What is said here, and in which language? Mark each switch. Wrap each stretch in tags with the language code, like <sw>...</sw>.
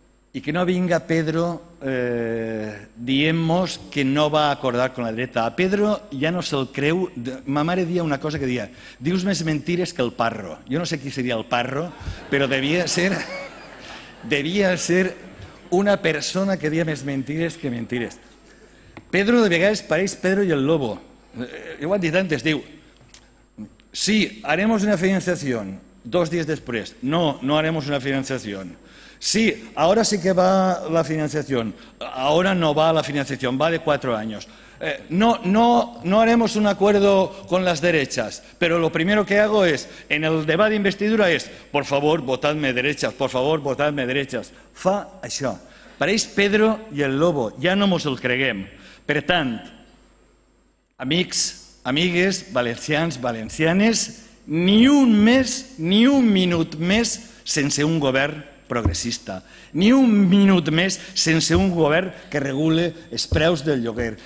<ca>I que no vinga Pedro diem-nos que no va acordar con la dreta. A Pedro ja no se'l creu. Ma mare dia una cosa que dia: dius més mentires que el parro. Jo no sé qui seria el parro, però devia ser una persona que dia més mentires que mentires. Pedro de vegades pareix Pedro i el lobo. Jo ho he dit antes, diu:</ca> <es>sí, haremos una financiación.</es> <ca>Dos dies després:</ca> <es>no, no haremos una financiación. Sí, ahora sí que va la financiación. Ahora no va la financiación, va de 4 años. No haremos un acuerdo con las derechas, pero lo primero que hago es, en el debate de investidura es, por favor, votadme derechas, por favor, votadme derechas.</es> <ca>Fa això. Pareix Pedro i el Lobo, ja no mos el creguem. Per tant, amics, amigues, valencians, valencianes, ni un mes, ni un minut més sense un govern progressista. Ni un minut més sense un govern que regule els preus del lloguer.</ca>